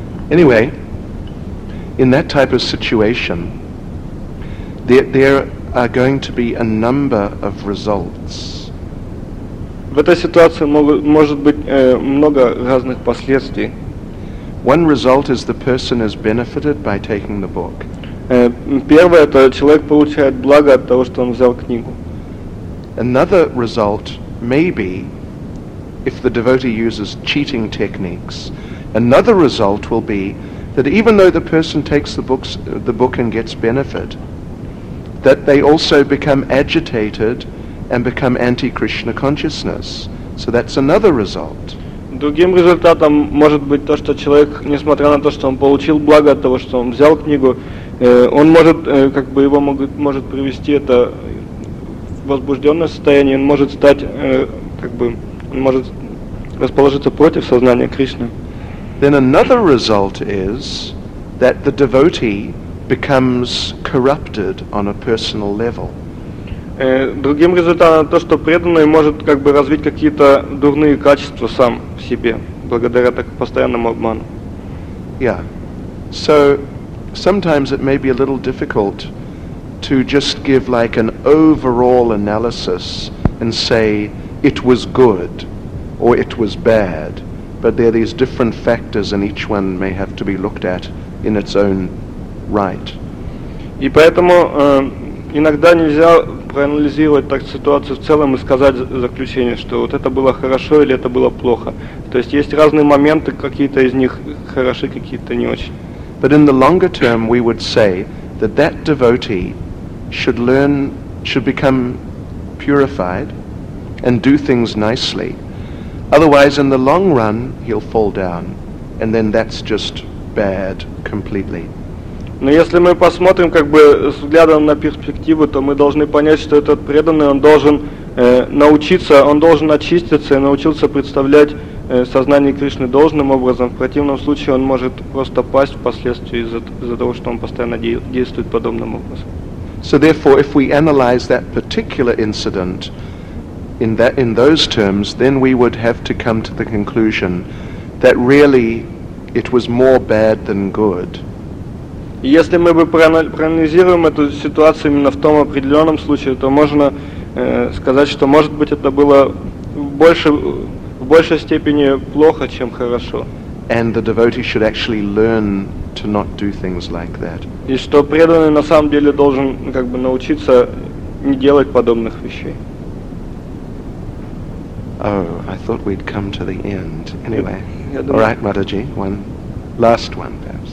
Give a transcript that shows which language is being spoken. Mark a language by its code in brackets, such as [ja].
[en] Anyway, in that type of situation, there are going to be a number of results. [ru] В этой ситуации может быть много разных последствий. [en] One result is the person is benefited by taking the book. [ru] Первое, это человек получает благо от того, что он взял книгу. [en] Another result may be, if the devotee uses cheating techniques, another result will be that even though the person takes the book and gets benefit, that they also become agitated and become anti-Krishna consciousness. So that's another result. [ru] Другим результатом может быть то, что человек, несмотря на то, что он получил благо от того, что он взял книгу, он может, как бы его может привести это возбужденное состояние, он может стать, как бы, он может расположиться против сознания Кришны. [en] Then another result is that the devotee becomes corrupted on a personal level. [ru] Другим результатом то, что преданный может как бы развить какие-то дурные качества сам в себе благодаря так постоянному обману. Yeah. [en] So sometimes it may be a little difficult to just give like an overall analysis and say it was good or it was bad. But there are these different factors, and each one may have to be looked at in its own right. [ru] И поэтому иногда нельзя проанализировать так ситуацию в целом и сказать заключение, что вот это было хорошо или это было плохо. То есть есть разные моменты, какие-то из них хороши, какие-то не очень. [en] But in the longer term, we would say that devotee should learn, should become purified, and do things nicely. Otherwise, in the long run, he'll fall down, and then that's just bad completely. [ru] Но если мы посмотрим как бы с взглядом на перспективу, то мы должны понять, что этот преданный, он должен научиться, он должен очиститься и научиться представлять сознание Кришны должным образом. В противном случае он может просто пасть впоследствии из-за того, что он постоянно действует подобным образом. [en] So therefore, if we analyze that particular incident, in those terms, then we would have to come to the conclusion that really it was more bad than good. [ru] Если мы бы проанализируем эту ситуацию именно в том определенном случае, то можно сказать, что может быть это было в большей степени плохо, чем хорошо. [en] And the devotee should actually learn to not do things like that. [ru] И что преданный на самом деле должен как бы научиться не делать подобных вещей. [en] Oh, I thought we'd come to the end. Anyway, all right, Mataji, one last one, perhaps.